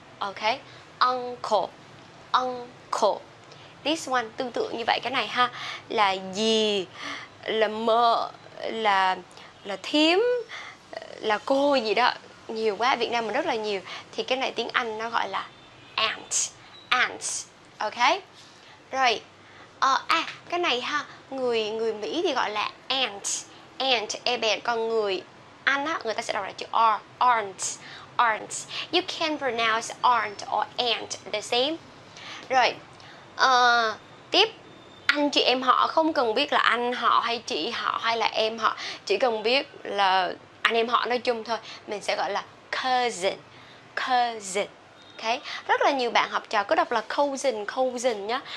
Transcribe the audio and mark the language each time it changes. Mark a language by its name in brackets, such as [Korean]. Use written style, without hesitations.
[English] Ok, uncle, uncle, this one [Vietnamese] tương tự như vậy. Cái này ha, là dì, là mợ, là thím, là cô gì đó, nhiều quá, Việt Nam mình rất là nhiều, thì cái này tiếng Anh nó gọi là aunt, aunt. Ok, rồi cái này ha, người Mỹ thì gọi là aunt, aunt, aunt. Còn người Anh á, người ta sẽ đọc là chữ r, aunt, aunt. [English] You can pronounce aunt or aunt the same. [Vietnamese] Rồi tiếp, anh chị em họ, không cần biết là anh họ hay chị họ hay là em họ, chỉ cần biết là anh em họ nói chung thôi, mình sẽ gọi là cousin, cousin. Ok, rất là nhiều bạn học trò cứ đọc là cousin, cousin nhá.